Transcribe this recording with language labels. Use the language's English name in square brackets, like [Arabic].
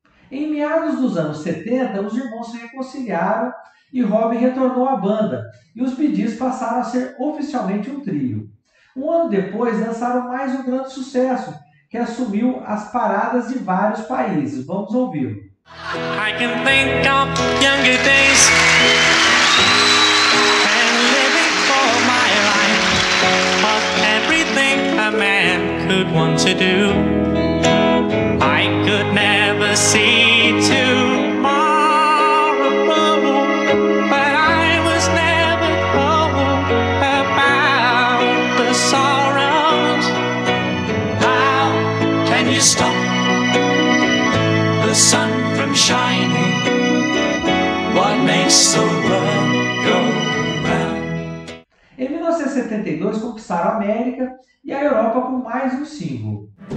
[Portuguese] Em meados dos anos 70, os irmãos se reconciliaram e Robin retornou à banda, e os Bee Gees passaram a ser oficialmente um trio. Um ano depois, lançaram mais um grande sucesso, que assumiu as paradas de vários países. Vamos ouvir. [English] I can think of younger days and living for my life of everything a man could want to do. I could never see tomorrow, but I was never told about the sorrows. How can you stop the sun from shining? What makes the world go round? [Portuguese] Em 1972, conquistaram a América e a Europa com mais um single.